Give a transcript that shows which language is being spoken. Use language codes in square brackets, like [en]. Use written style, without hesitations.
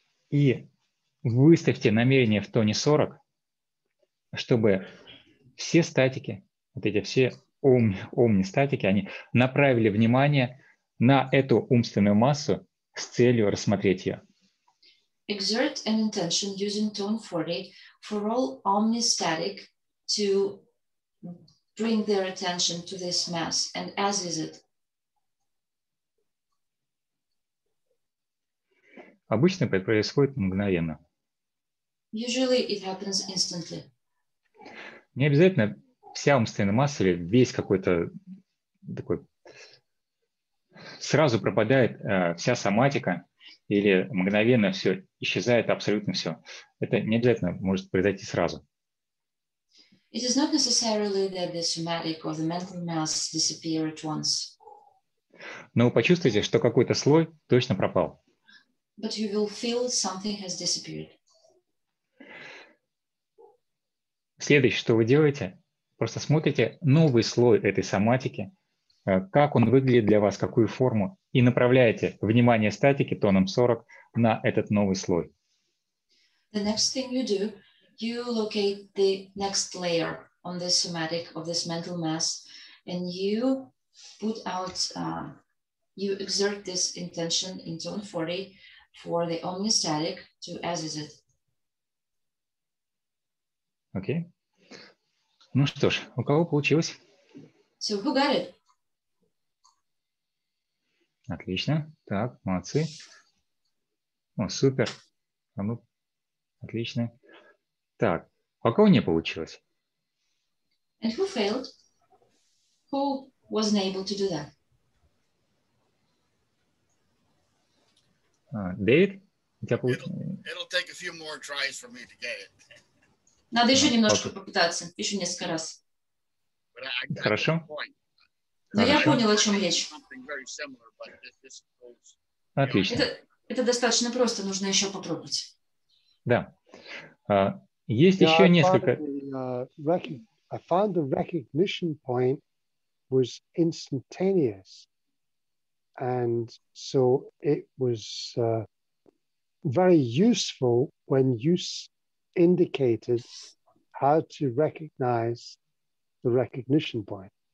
[ru] И выставьте намерение в тоне 40, чтобы все статики, вот эти все умные статики, они направили внимание на эту умственную массу с целью рассмотреть ее. [en] Exert an intention using tone 40 for all omnistatic to bring their attention to this mass and as is it. [ru] Обычно это происходит мгновенно. [en] Usually it happens instantly. [ru] Не обязательно вся умственная масса или весь какой-то такой сразу пропадает вся соматика. Или мгновенно все исчезает, абсолютно все. Это не обязательно может произойти сразу. [en] It is not necessarily that the somatic or the mental mass disappear at once. [ru] Но вы почувствуете, что какой-то слой точно пропал. [en] But you will feel something has disappeared. [ru] Следующее, что вы делаете, просто смотрите новый слой этой соматики, как он выглядит для вас, какую форму, и направляете внимание статики тоном 40 на этот новый слой. [en] The next thing you do, you locate the next layer on this somatic of this mental mass, and you put out, you exert this intention in tone 40 for the omnistatic to as is it. [ru] Окей. Ну что ж, у кого получилось? [en] So who got it? [ru] Отлично. Так, молодцы. О, супер. А ну, отлично. Так, у кого не получилось? [en] And who failed? Who wasn't able to do that? [ru] Дэвид? [en] It'll take a few more tries for me to get it. [ru] Надо еще немножко попытаться. Еще несколько раз. Хорошо. Но я понял, о чем речь. Similar, this отлично. Это достаточно просто, нужно еще попробовать. Да. Есть еще несколько. [en] I found the recognition point was instantaneous, and so it was very useful when you indicated how to recognize the recognition point.